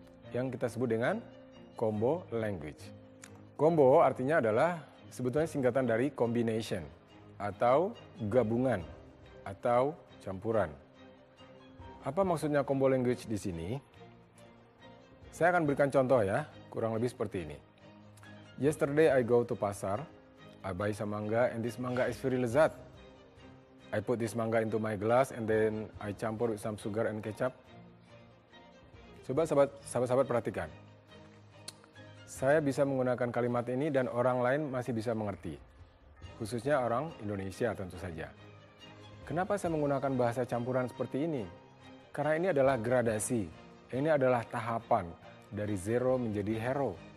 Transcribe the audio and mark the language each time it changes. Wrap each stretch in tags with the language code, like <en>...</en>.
<id>Yang kita sebut dengan combo language. Combo artinya adalah sebetulnya singkatan dari combination atau gabungan atau campuran. Apa maksudnya combo language di sini? Saya akan berikan contoh ya, kurang lebih seperti ini.</id> <en>Yesterday I go to pasar, I buy some mangga and this mangga is very lezat. I put this mangga into my glass and then I campur with some sugar and ketchup.</en> <id>Coba sahabat-sahabat perhatikan. Saya bisa menggunakan kalimat ini dan orang lain masih bisa mengerti. Khususnya orang Indonesia tentu saja. Kenapa saya menggunakan bahasa campuran seperti ini? Karena ini adalah gradasi. Ini adalah tahapan dari zero menjadi hero.</id>